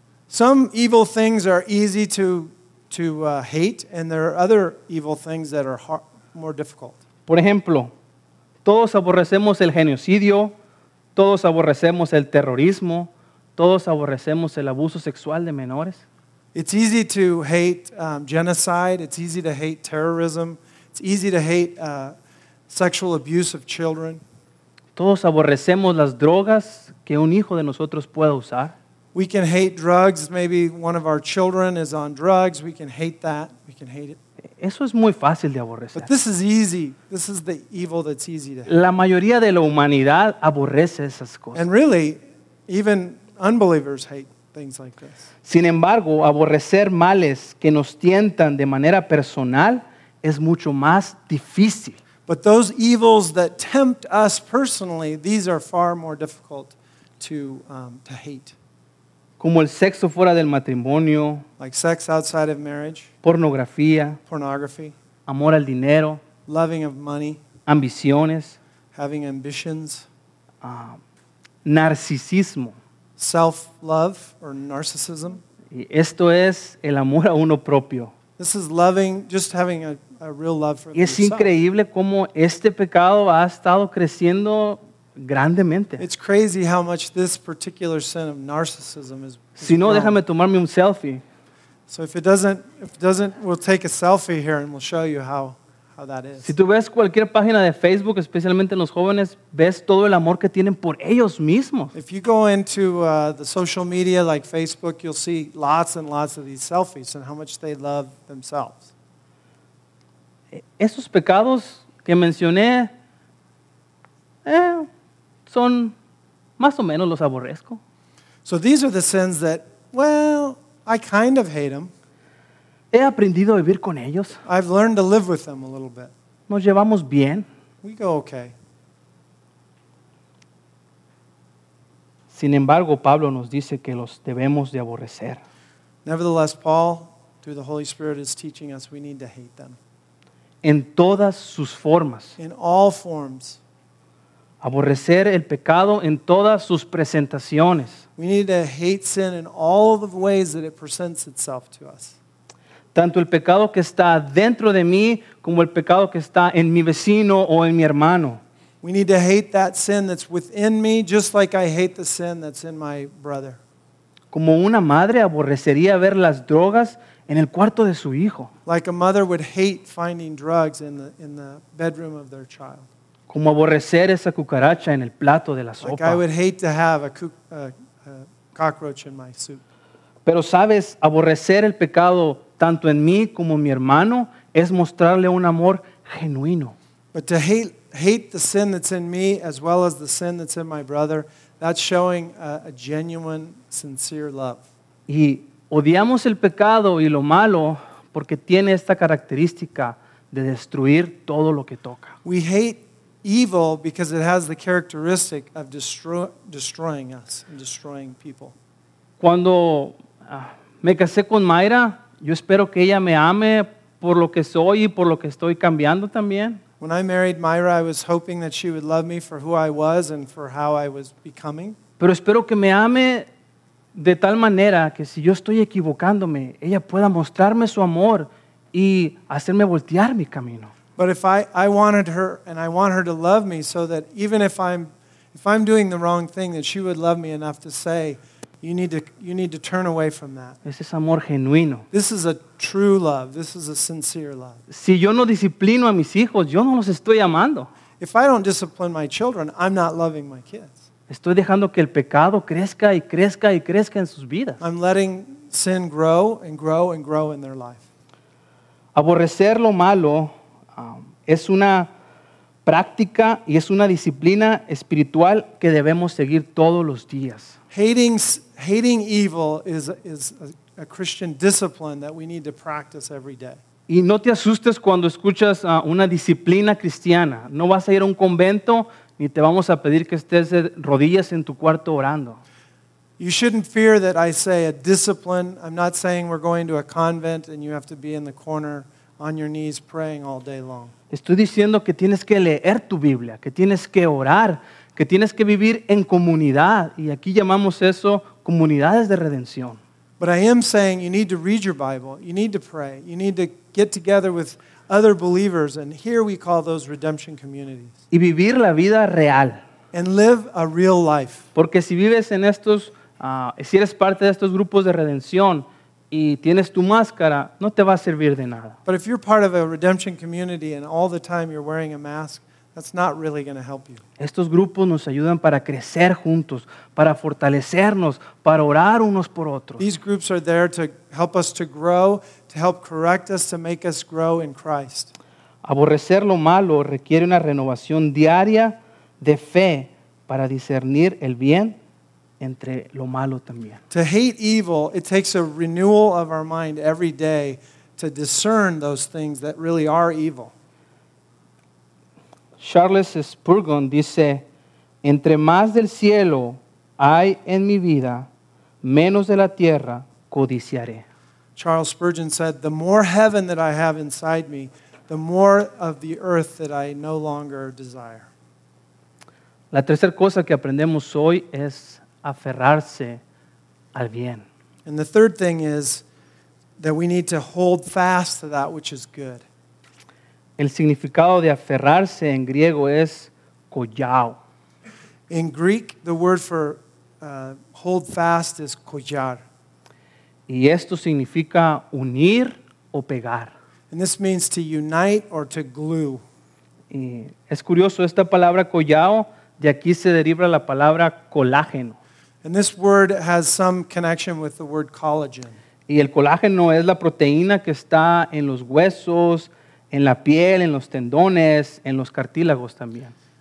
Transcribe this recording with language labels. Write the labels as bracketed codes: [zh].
[en] Some evil things are easy to hate, and there are other evil things that are more difficult. [es] Por ejemplo, todos aborrecemos el genocidio, todos aborrecemos el terrorismo, todos aborrecemos el abuso sexual de menores. [en] It's easy to hate genocide, it's easy to hate terrorism, it's easy to hate sexual abuse of children. [es] Todos aborrecemos las drogas que un hijo de nosotros pueda usar. [en] We can hate drugs. Maybe one of our children is on drugs. We can hate that. We can hate it. [es] Eso es muy fácil de aborrecer. [en] But this is easy. This is the evil that's easy to hate. [es] La mayoría de la humanidad aborrece esas cosas. [en] And really, even unbelievers hate things like this. [es] Sin embargo, aborrecer males que nos tientan de manera personal es mucho más difícil. [en] But those evils that tempt us personally, these are far more difficult to hate. [es] Como el sexo fuera del matrimonio, [en] like sex outside of marriage, [es] pornografía, [en] pornography, [es] amor al dinero, [en] loving of money, [es] ambiciones, [en] having ambitions, [es] narcisismo, [en] self-love or narcissism. [es] Y esto es el amor a uno propio. [en] This is loving, just having a real love for yourself. [es] Y es increíble cómo este pecado ha estado creciendo grandemente. [en] It's crazy how much this particular sin of narcissism is. [es] Si no, déjame tomarme un selfie. [en] So if it doesn't, we'll take a selfie here and we'll show you how that is. [es] Si tú ves cualquier página de Facebook, especialmente en los jóvenes, ves todo el amor que tienen por ellos mismos. [en] If you go into the social media like Facebook, you'll see lots and lots of these selfies and how much they love themselves. [es] Esos pecados que mencioné. Son más o menos los aborrezco. [en] So these are the sins that, well, I kind of hate them. [es] He aprendido a vivir con ellos. [en] I've learned to live with them a little bit. [es] Nos llevamos bien. [en] We go okay. [es] Sin embargo, Pablo nos dice que los debemos de aborrecer. [en] Nevertheless, Paul, through the Holy Spirit, is teaching us we need to hate them. [es] En todas sus formas. [en] In all forms. [es] Aborrecer el pecado en todas sus presentaciones. [en] We need to hate sin in all of the ways that it presents itself to us. [es] Tanto el pecado que está dentro de mí como el pecado que está en mi vecino o en mi hermano. [en] We need to hate that sin that's within me just like I hate the sin that's in my brother. [es] Como una madre aborrecería ver las drogas en el cuarto de su hijo. [en] Like a mother would hate finding drugs in the bedroom of their child. [es] Como aborrecer esa cucaracha en el plato de la sopa. [en] Like I would hate to have a cockroach in my soup. [es] Pero sabes, aborrecer el pecado tanto en mí como en mi hermano es mostrarle un amor genuino. [en] But to hate the sin that's in me as well as the sin that's in my brother, that's showing a genuine, sincere love. [es] Y odiamos el pecado y lo malo porque tiene esta característica de destruir todo lo que toca. [en] We hate evil because it has the characteristic of destroying us and destroying people. [es] Cuando me casé con Mayra, yo espero que ella me ame por lo que soy y por lo que estoy cambiando también. [en] When I married Myra, I was hoping that she would love me for who I was and for how I was becoming. [es] Pero espero que me ame de tal manera que si yo estoy equivocándome, ella pueda mostrarme su amor y hacerme voltear mi camino. [en] But if I wanted her and I want her to love me so that even if I'm doing the wrong thing, that she would love me enough to say, you need to turn away from that. [es] Ese es amor genuino. [en] This is a true love. This is a sincere love. [es] Si yo no disciplino a mis hijos, yo no los estoy amando. [en] If I don't discipline my children, I'm not loving my kids. [es] Estoy dejando que el pecado crezca y crezca y crezca en sus vidas. [en] I'm letting sin grow and grow and grow in their life. [es] Aborrecer lo malo es una práctica y es una disciplina espiritual que debemos seguir todos los días. [en] Hating evil is a Christian discipline that we need to practice every day. [es] Y no te asustes cuando escuchas una disciplina cristiana. No vas a ir a un convento ni te vamos a pedir que estés de rodillas en tu cuarto orando. [en] You shouldn't fear that I say a discipline. I'm not saying we're going to a convent and you have to be in the corner on your knees praying all day long. [es] Estoy diciendo que tienes que leer tu Biblia, que tienes que orar, que tienes que vivir en comunidad. Y aquí llamamos eso comunidades de redención. [en] But I am saying you need to read your Bible, you need to pray, you need to get together with other believers, and here we call those redemption communities. [es] Y vivir la vida real. [en] And live a real life. [es] Porque si vives en estos, si eres parte de estos grupos de redención, y tienes tu máscara, no te va a servir de nada. [en] But if you're part of a redemption community and all the time you're wearing a mask, that's not really going to help you. [es] Estos grupos nos ayudan para crecer juntos, para fortalecernos, para orar unos por otros. [en] These groups are there to help us to grow, to help correct us, to make us grow in Christ. [es] Aborrecer lo malo requiere una renovación diaria de fe para discernir el bien entre lo malo también. [en] To hate evil, it takes a renewal of our mind every day to discern those things that really are evil. [es] Charles Spurgeon dice, entre más del cielo hay en mi vida, menos de la tierra codiciaré. [en] Charles Spurgeon said, the more heaven that I have inside me, the more of the earth that I no longer desire. [es] La tercera cosa que aprendemos hoy es aferrarse al bien. [en] And the third thing is that we need to hold fast to that which is good. [es] El significado de aferrarse en griego es collao. [en] In Greek, the word for hold fast is collar. [es] Y esto significa unir o pegar. [en] And this means to unite or to glue. [es] Y es curioso, esta palabra collao, de aquí se deriva la palabra colágeno. [en] And this word has some connection with the word collagen. [es] Y el colágeno es la proteína que está en los huesos, en la piel, en los tendones, en los cartílagos también.